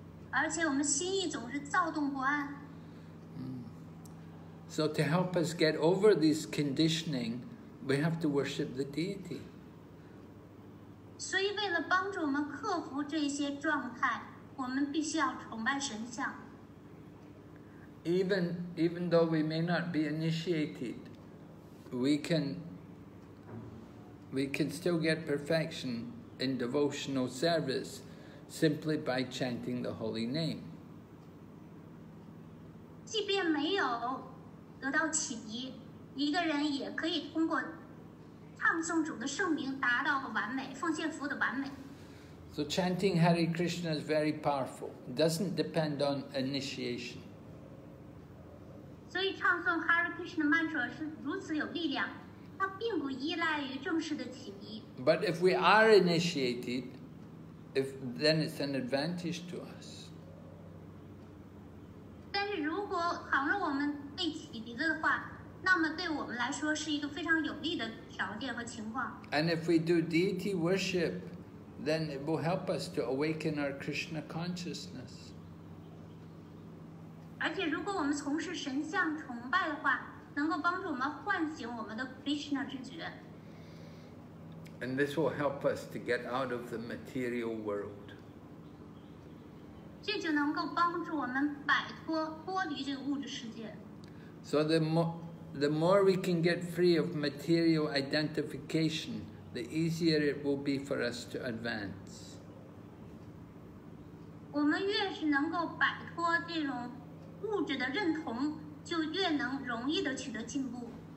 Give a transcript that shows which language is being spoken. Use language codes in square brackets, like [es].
[zh] 而且我们心意总是躁动不安。 [en] So to help us get over this conditioning, we have to worship the deity. [zh] 所以为了帮助我们克服这些状态，我们必须要崇拜神像。 [en] Even though we may not be initiated, we can still get perfection. In devotional service, simply by chanting the holy name. [zh] 即便没有得到启迪，一个人也可以通过唱诵主的圣名达到完美，奉献服务的完美。 [en] So chanting Hare Krishna is very powerful. Doesn't depend on initiation. [zh] 所以唱诵 Hare Krishna mantra 是如此有力量。它并不依赖于正式的启迪。 [en] But if we are initiated, then it's an advantage to us. [zh] 但是如果倘若我们被启迪的话，那么对我们来说是一个非常有利的条件和情况。 [en] And if we do deity worship, then it will help us to awaken our Krishna consciousness. [zh] 而且如果我们从事神像崇拜的话，能够帮助我们唤醒我们的 Krishna 知觉。 [en] And this will help us to get out of the material world. [zh] 这就能够帮助我们摆脱脱离这个物质世界。 [en] So the more we can get free of material identification, the easier it will be for us to advance. [zh] 我们越是能够摆脱这种物质的认同，就越能容易地取得进步。